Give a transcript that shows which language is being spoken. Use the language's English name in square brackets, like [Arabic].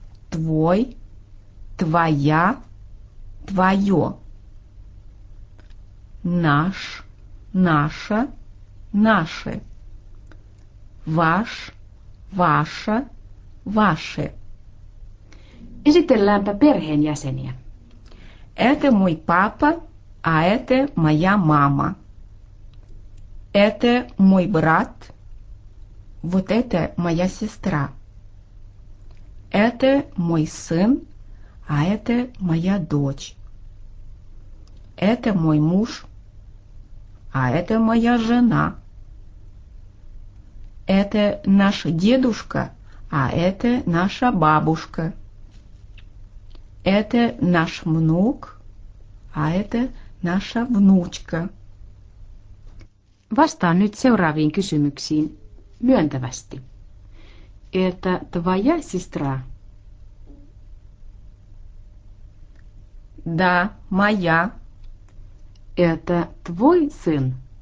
[Russian] Tvoi, tvaja, tvajo. Наш, наша. Наши. Ваш, ваша, ваши. [Finnish] Esitelläänpä perheenjäseniä. [Russian] Это мой папа, а это моя мама. Это мой брат. Вот это моя сестра. Это мой сын, а это моя дочь. Это мой муж, а это моя жена. Это наш дедушка, а это наша бабушка. Это наш внук, а это наша внучка. [Finnish] Vastaan nyt seuraaviin kysymyksiin myöntävästi. [Russian] Это твоя сестра? Да, моя. Это твой сын?